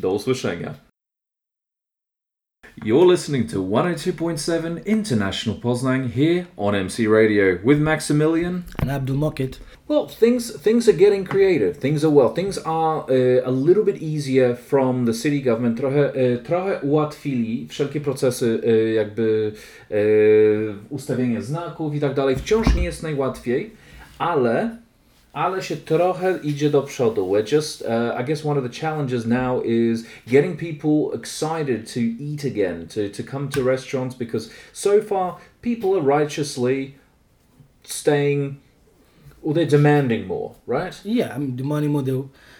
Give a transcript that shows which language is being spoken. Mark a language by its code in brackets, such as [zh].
[pl] Do usłyszenia. [en] You're listening to 102.7 International Poznan here on MC Radio with Maximilian and Abdul Mokit. Well, things are getting creative. Things are well. Things are a little bit easier from the city government. [pl] Trochę ułatwili wszelkie procesy, jakby ustawienie znaków i tak dalej. Wciąż nie jest najłatwiej, ale się trochę idzie do przodu. [en] We're just, I guess one of the challenges now is getting people excited to eat again, to come to restaurants, because so far people are righteously staying. Well, they're demanding more, right? Yeah, I'm demanding more.